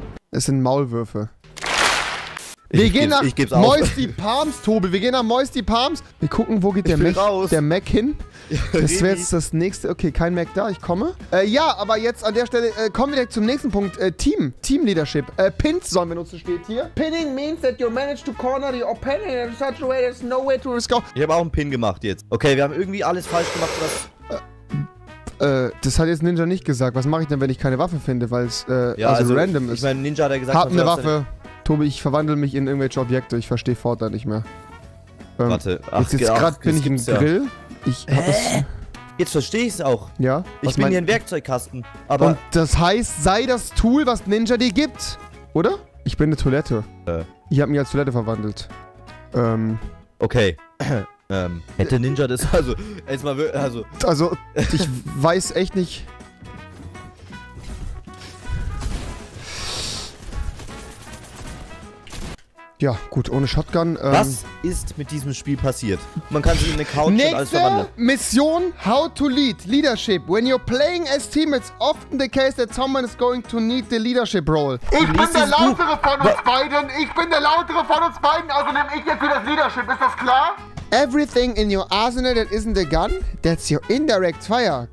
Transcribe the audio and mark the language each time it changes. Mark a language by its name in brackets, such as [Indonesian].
[German] Es sind Maulwürfe. Wir gehen nach Moisty Palms, Tobi. Wir gehen nach Moisty Palms. Wir gucken, wo geht der Mech hin. Ja, das wäre jetzt das nächste. Okay, kein Mech da, ich komme. Ja, aber jetzt an der Stelle kommen wir direkt zum nächsten Punkt. Team Leadership. Pins sollen wir nutzen, steht hier. [English] Pinning means that you manage to corner the opponent in such a way there's no way to risk out. [German] Ich habe auch einen Pin gemacht jetzt. Okay, wir haben irgendwie alles falsch gemacht, was... Das hat jetzt Ninja nicht gesagt. Was mache ich denn, wenn ich keine Waffe finde, weil es also random ich ist? Ich meine, Ninja hat ja gesagt... Hab eine Waffe. Tobi, ich verwandle mich in irgendwelche Objekte. Ich verstehe Fortnite nicht mehr. Warte. Jetzt gerade bin ich im Grill. Ich hab das... Jetzt verstehe ich es auch. Ja? Ich bin hier ein Werkzeugkasten. Aber und das heißt, sei das Tool, was Ninja dir gibt. Oder? Ich bin eine Toilette. Ich habe mich als Toilette verwandelt. Okay. Hätte Ninja das also... Erstmal, also... Also, ich weiß echt nicht... Ja, gut, ohne Shotgun. Was ist mit diesem Spiel passiert? Man kann sich in eine Couch und alles verwandeln. Nächste Mission, [English] how to lead, leadership. When you're playing as team, it's often the case that someone is going to need the leadership role. [German] Ich bin der lautere von uns beiden. Ich bin der lautere von uns beiden, also nehme ich jetzt wieder das Leadership. Ist das klar? [English] Everything in your arsenal that isn't a gun, that's your indirect fire.